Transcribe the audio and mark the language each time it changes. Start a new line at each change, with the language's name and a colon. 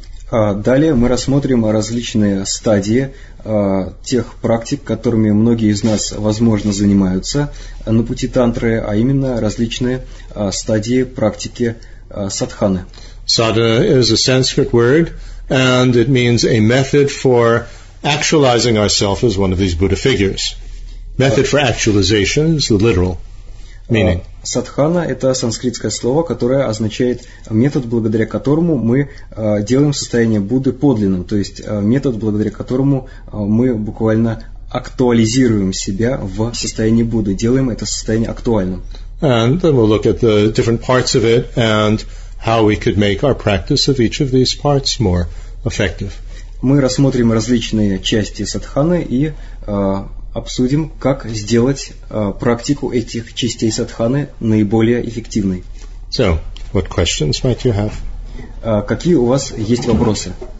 Russian: Далее мы рассмотрим различные стадии тех практик, которыми многие из нас, возможно, занимаются на пути тантры, а именно различные стадии практики садханы.
English: Sadhana is a Sanskrit word, and it means a method for actualizing ourselves as one of these Buddha figures. Method for actualization is the literal meaning.
Russian: Садхана – это санскритское слово, которое означает метод, благодаря которому мы делаем состояние Будды подлинным, то есть метод, благодаря которому мы буквально актуализируем себя в состоянии Будды, делаем это состояние актуальным.
English: And then we'll look at the different parts of it and how we could make our practice of each of these parts more effective.
Russian: Мы рассмотрим различные части садханы и обсудим, как сделать практику этих частей садханы наиболее эффективной.
English: So, what questions might you have?
Russian: Какие у вас есть вопросы?